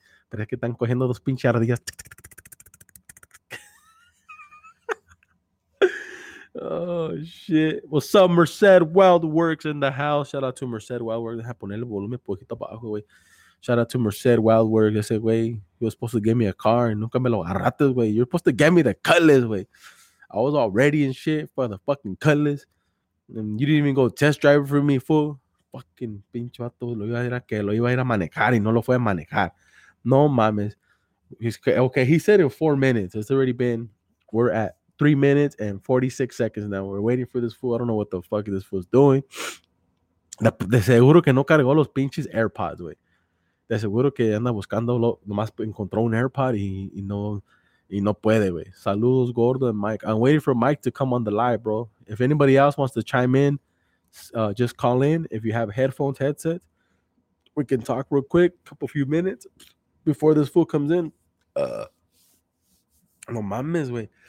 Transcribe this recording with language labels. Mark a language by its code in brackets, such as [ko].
[es] Pero es que están cogiendo dos pinches ardillas... [en] Oh shit. What's up, Merced Wildworks in the house? Shout out to Merced Wildworks. [es] Deja poner el volumen poquito para abajo, güey. [en] Shout out to Merced Wildworks. [es] Ese güey, [en] he was supposed to give me a car and [es] nunca me lo agarraste, güey. [en] You're supposed to get me the Cutlass, güey. I was all ready and shit for the fucking Cutlass. And you didn't even go test drive for me, fool. Fucking [es] pinche vato. Lo iba a ir a manejar y no lo fue a manejar. No mames. [en] Okay, he said in 4 minutes. It's already been, we're at 3 minutes and 46 seconds now. We're waiting for this fool. I don't know what the fuck this fool's doing. [es] De seguro que no cargó los pinches AirPods, güey. De seguro que anda buscando, nomás encontró un AirPod y no puede, güey. Saludos, Gordo and Mike. [en] I'm waiting for Mike to come on the live, bro. If anybody else wants to chime in, just call in. If you have headphones, headset, we can talk real quick, a few minutes before this fool comes in. [es] No mames, güey.